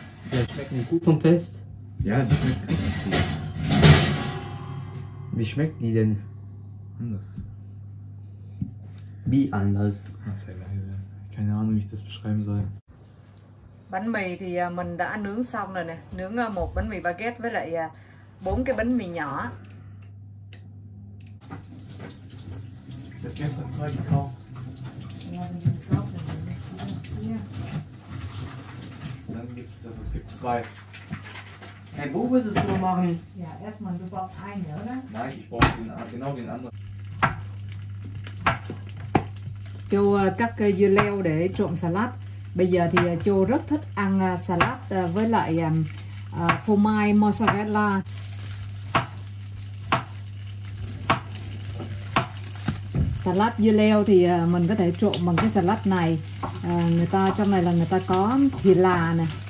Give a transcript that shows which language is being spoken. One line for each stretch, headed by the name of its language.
German: Ja, schmecken die gut vom Test? Ja, die schmecken richtig gut. Wie schmecken die denn? Anders. Wie anders? Ach, sehr leise. Keine Ahnung, wie ich das beschreiben soll.
Vietnamese: Bánh mì thì mình đã nướng xong rồi nè. Nướng một bánh mì baguette với lại bốn cái bánh mì nhỏ.
German: Dann gibt's, also es gibt zwei. Hey, wo willst du es machen? Ja, erstmal, du brauchst eine, oder? Nein, ich brauche genau den anderen.
Vietnamese: Châu cắt cây dưa leo để trộn salad. Bây giờ thì Châu rất thích ăn salad với lại phô mai mozzarella. Salad dưa leo thì mình có thể trộn bằng cái salad này. Người ta trong này là người ta có thì là nè.